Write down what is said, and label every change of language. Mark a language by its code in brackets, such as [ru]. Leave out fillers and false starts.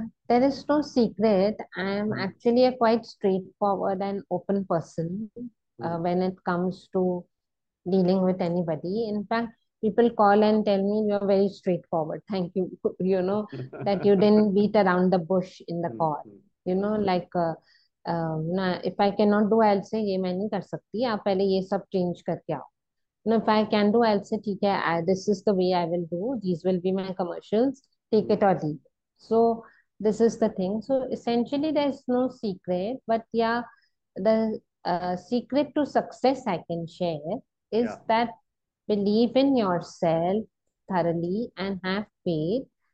[en] There is no secret. I am actually a quite straightforward and open person when it comes to dealing with anybody. In fact, people call and tell me, "You're very straightforward. Thank you." That you didn't beat around the bush in the call. If I cannot do, I'll say [hi] ये मैं नहीं कर सकती, आप पहले ये सब change करके आओ. [en] If I can do, I'll say [hi] ठीक है, [en] this is the way I will do, these will be my commercials, take it or leave. So this is the thing. So essentially there is no secret, but yeah, the secret to success I can share is that believe in yourself thoroughly and have faith.